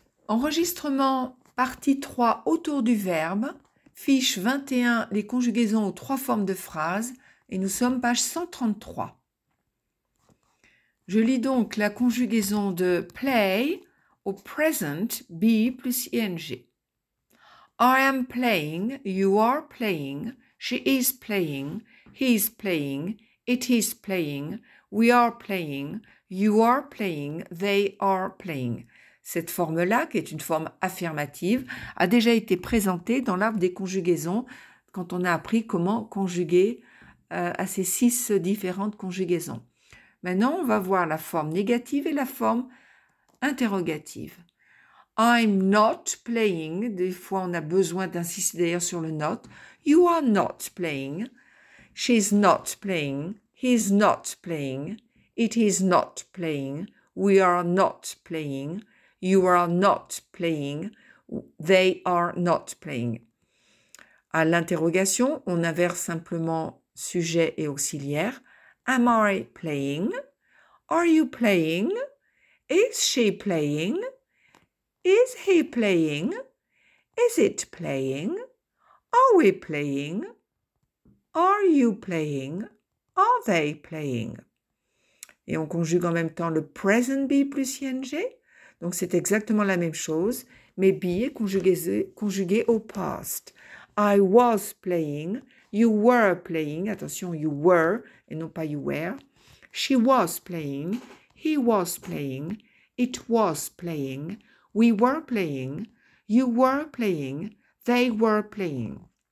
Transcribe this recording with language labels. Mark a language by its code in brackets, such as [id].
[fr] Enregistrement partie 3 autour du verbe, fiche 21, les conjugaisons aux trois formes de phrase, et nous sommes page 133. Je lis donc la conjugaison de play au present be plus ing. [en] I am playing, you are playing, she is playing, he is playing, it is playing, we are playing, you are playing, they are playing. [fr] Cette forme-là, qui est une forme affirmative, a déjà été présentée dans l'arbre des conjugaisons quand on a appris comment conjuguer à ces 6 différentes conjugaisons. Maintenant, on va voir la forme négative et la forme interrogative. [en] I'm not playing. [fr] Des fois, on a besoin d'insister d'ailleurs sur le not. [en] You are not playing. She's not playing. He's not playing. It is not playing. We are not playing. You are not playing, they are not playing. [fr] À l'interrogation, on inverse simplement sujet et auxiliaire. [en] Am I playing? Are you playing? Is she playing? Is he playing? Is it playing? Are we playing? Are you playing? Are they playing? [fr] Et on conjugue en même temps le present be plus ing. Donc, c'est exactement la même chose, mais be est conjugué au past. [en] I was playing, you were playing, attention, you were [fr] et non pas [en] you were. She was playing, he was playing, it was playing, we were playing, you were playing, they were playing.